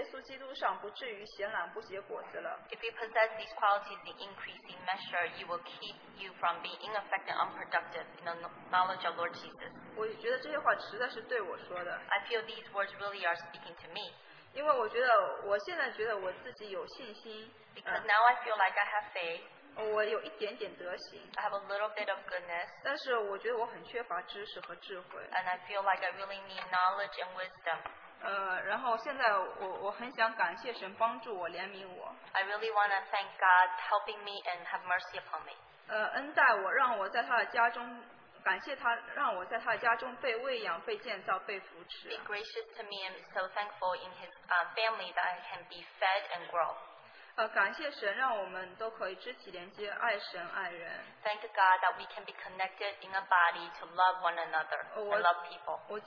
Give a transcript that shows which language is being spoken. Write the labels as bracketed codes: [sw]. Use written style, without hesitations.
[zh] 你们若充充足足的有这几样，就必使你们在认识我们的主耶稣基督上，不至于显懒不结果子了。 [en] If you possess these qualities in increasing measure, you will keep you from being ineffective and unproductive in the knowledge of Lord Jesus. [zh] 我觉得这些话实在是对我说的。 [en] I feel these words really are speaking to me. [zh] 因为我现在觉得我自己有信心。 [en] Because now I feel like I have faith. [zh] 我有一点点德行。 [en] I have a little bit of goodness. [zh] 但是我觉得我很缺乏知识和智慧。 [en] And I feel like I really need knowledge and wisdom. [zh] 然后现在我很想感谢神帮助我，怜悯我。 [en] I really want to thank God helping me and have mercy upon me. [zh] 恩待我，让我在他的家中被喂养、被建造、被扶持。 [en] Be gracious to me and so thankful in his family that I can be fed and grow. [zh] 感谢神让我们都可以肢体连接，爱神爱人。 [en] Thank God that we can be connected in a body to love one another and love people.